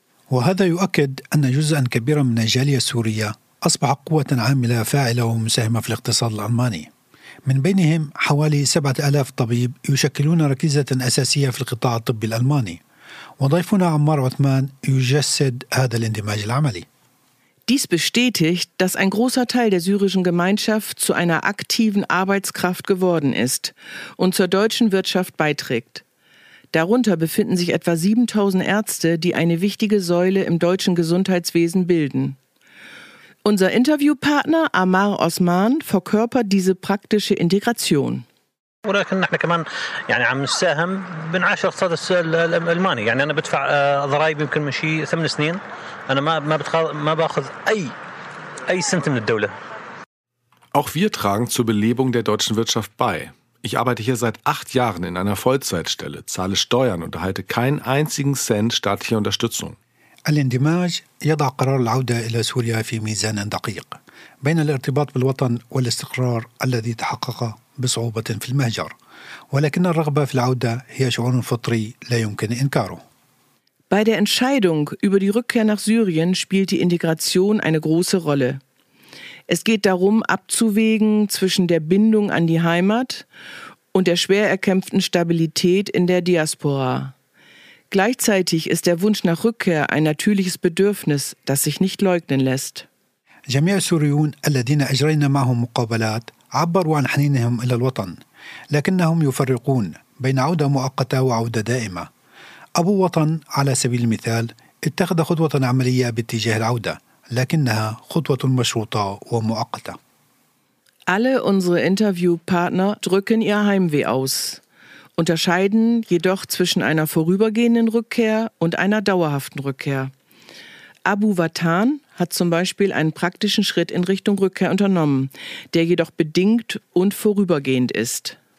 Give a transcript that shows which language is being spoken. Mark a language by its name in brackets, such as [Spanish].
[Arabic] وهذا يؤكد أن جزءا كبيرا من الجالية السورية أصبح قوة عاملة فاعلة ومساهمة في الاقتصاد الألماني. من بينهم حوالي 7000 طبيب يشكلون ركيزة أساسية في القطاع الطبي الألماني. وضيفنا عمار عثمان يجسد هذا الاندماج العملي. [German] Dies bestätigt, dass ein großer Teil der syrischen Gemeinschaft zu einer aktiven Arbeitskraft geworden ist und zur deutschen Wirtschaft beiträgt. Darunter befinden sich etwa 7000 Ärzte, die eine wichtige Säule im deutschen Gesundheitswesen bilden. Unser Interviewpartner Amar Osman verkörpert diese praktische Integration. [Arabic] ولكن نحن كمان يعني عم نساهم بنعاشر اقتصاد الألماني يعني أنا بدفع ضرائب يمكن من شيء 8 سنين أنا ما باخذ أي سنت من الدولة. [German] Auch wir tragen zur Belebung der deutschen Wirtschaft bei. Ich arbeite hier seit 8 Jahren in einer Vollzeitstelle, zahle Steuern und erhalte keinen einzigen Cent staatlicher Unterstützung. [Arabic] الاندماج يضع قرار العودة إلى سوريا في ميزان دقيق بين الارتباط بالوطن والاستقرار الذي تحقق بصعوبة في المهجر. ولكن الرغبة في العودة هي شعور فطري لا يمكن إنكاره. [German] Bei der Entscheidung über die Rückkehr nach Syrien spielt die Integration eine große Rolle. Es geht darum, abzuwägen zwischen der Bindung an die Heimat und der schwer erkämpften Stabilität in der Diaspora. Gleichzeitig ist der Wunsch nach Rückkehr ein natürliches Bedürfnis, das sich nicht leugnen lässt. [Arabic] جميع السوريون الذين أجرينا معهم مقابلات عبروا عن حنينهم إلى الوطن، لكنهم يفرقون بين عودة مؤقتة وعودة دائمة. أبو وطن على سبيل المثال اتخذ خطوة عملية باتجاه العودة، لكنها خطوة مشروطة ومؤقتة. [German] Alle unsere Interviewpartner drücken ihr Heimweh aus, unterscheiden jedoch zwischen einer vorübergehenden Rückkehr und einer dauerhaften Rückkehr. Abu Watan hat zum Beispiel einen praktischen Schritt in Richtung Rückkehr unternommen, der jedoch bedingt und vorübergehend ist.